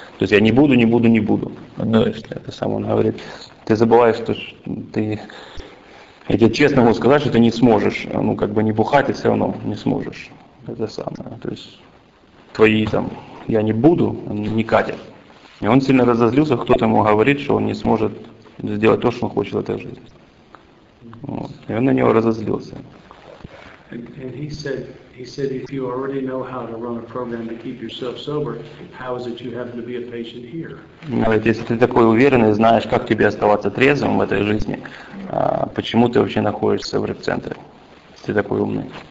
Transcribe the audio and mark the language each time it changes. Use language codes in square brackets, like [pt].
[ru] То есть я не буду. Ну, это самое, он говорит, ты забываешь, что ты, я тебе честно могу сказать, что ты не сможешь, ну, как бы не бухать, и все равно не сможешь. Это самое, то есть твои там, я не буду, не катят. И он сильно разозлился, кто-то ему говорит, что он не сможет сделать то, что он хочет в этой жизни. Вот. И он на него разозлился. [en] He said, if you already know how to run a program to keep yourself sober, how is it you happen to be a patient here? [ru] Говорит, если ты такой уверенный, знаешь, как тебе оставаться трезвым в этой жизни, почему ты вообще находишься в реп-центре, если ты такой умный?